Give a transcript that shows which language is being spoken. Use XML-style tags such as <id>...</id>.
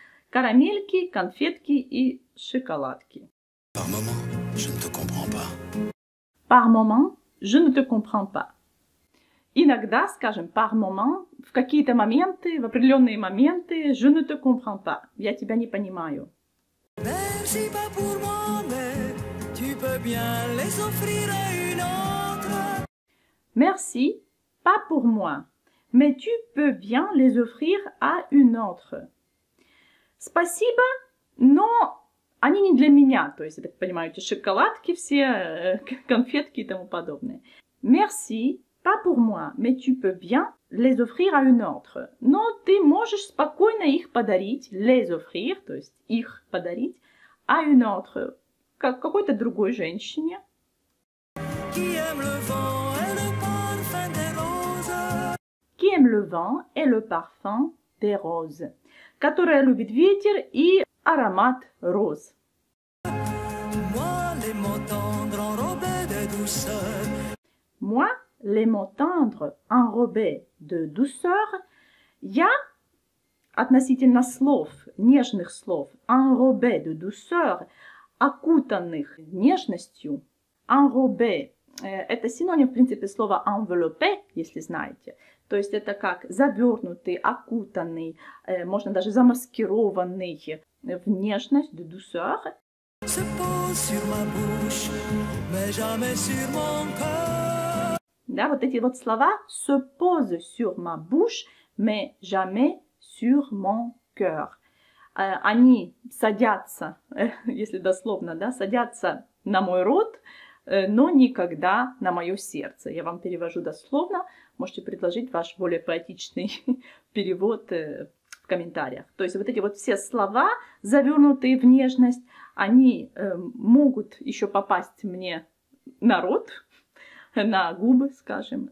<ru>Карамельки, конфетки и шоколадки.</ru> <fr>Par moment, je ne te comprends pas. Par moment, je ne te comprends pas.</fr> <ru>Иногда, скажем,</ru> <fr>par moment,</fr> <ru>в какие-то моменты, в определенные моменты,</ru> <fr>je ne te comprends pas,</fr> <ru>я тебя не понимаю.</ru> <fr>Merci pas pour moi, mais tu peux bien les offrir à une autre. Merci, pas pour moi, mais tu peux bien les offrir à une autre.</fr> <ru>Спасибо, но они не для меня, то есть, так понимаете, шоколадки все, конфетки и тому подобное.</ru> <fr>Merci. Pas pour moi, mais tu peux bien les offrir à un autre.</fr> <ru>Но ты можешь спокойно их подарить,</ru> <fr>les offrir,</fr> <ru>то есть их подарить,</ru> <fr>à un autre,</fr> <ru>как какой-то другой женщине.</ru> <fr>Qui aime le vent et le parfum des roses? Qui aime le vent et le parfum des roses?</fr> <ru>Которая любит ветер и аромат роз.</ru> <fr>Moi, les mots tendres enrobés de douceur. Moi, les mots tendres enrobés de douceur.</fr> <ru>Я, относительно слов, нежных слов,</ru> <fr>enrobés de douceur,</fr> <ru>окутанных нежностью. Enrobés, это синоним, в принципе, слова enveloppés, если знаете. То есть это как завернутый, окутанный, можно даже замаскированный в нежность,</ru> <fr>de douceur. Se pose sur ma bouche, mais jamais sur mon cœur.</fr> <ru>Да, вот эти вот слова</ru> <fr>se pose sur ma bouche, mais jamais sur mon cœur.</fr> <ru>Они садятся, если дословно, да, садятся на мой рот, но никогда на мое сердце. Я вам перевожу дословно. Можете предложить ваш более поэтичный перевод в комментариях. То есть вот эти вот все слова, завернутые в нежность, они могут еще попасть мне на рот, на губы, скажем.</ru>